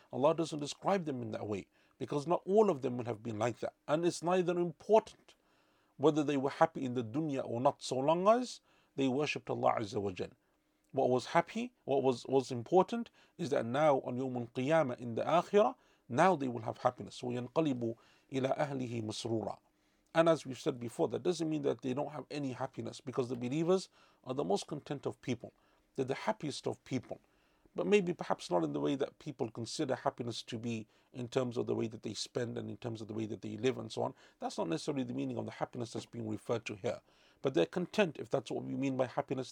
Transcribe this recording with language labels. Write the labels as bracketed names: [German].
[English] Allah doesn't describe them in that way, because not all of them would have been like that. And it's neither important whether they were happy in the dunya or not, so long as they worshipped Allah Azza wa Jal. What was happy, what was important, is that now on Yawmul Qiyamah in the Akhirah, now they will have happiness. [Arabic] So ينقلبوا إلى أهله مسرورا. [English] And as we've said before, that doesn't mean that they don't have any happiness, because the believers are the most content of people. They're the happiest of people. But maybe perhaps not in the way that people consider happiness to be, in terms of the way that they spend and in terms of the way that they live and so on. That's not necessarily the meaning of the happiness that's being referred to here. But they're content, if that's what we mean by happiness.